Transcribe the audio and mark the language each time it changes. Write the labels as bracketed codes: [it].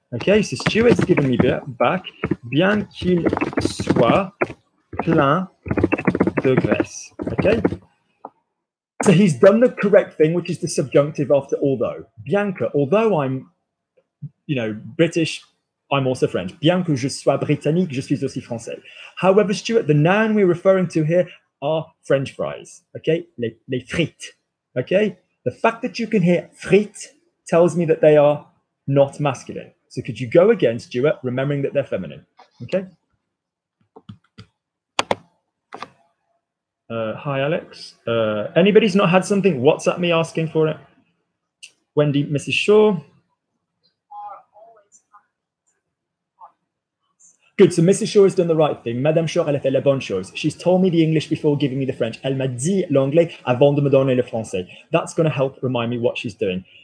[en] Okay, so Stuart's given me back, [fr] bien qu'il soit plein de graisse. [en] Okay? So he's done the correct thing, which is the subjunctive after although. Bien que, although I'm, you know, British, I'm also French. [fr] Bien que je sois britannique, je suis aussi français. [en] However, Stuart, the noun we're referring to here are French fries. Okay? Les frites. Okay? The fact that you can hear frites tells me that they are not masculine. So could you go again, Stuart, remembering that they're feminine? Okay. Hi, Alex. Anybody's not had something, WhatsApp me asking for it. Wendy, Mrs. Shaw. Good. So Mrs. Shaw has done the right thing. [fr] Madame Shaw, elle a fait la bonne chose. [en] She's told me the English before giving me the French. [fr] Elle m'a dit l'anglais avant de me donner le français. [en] That's going to help remind me what she's doing.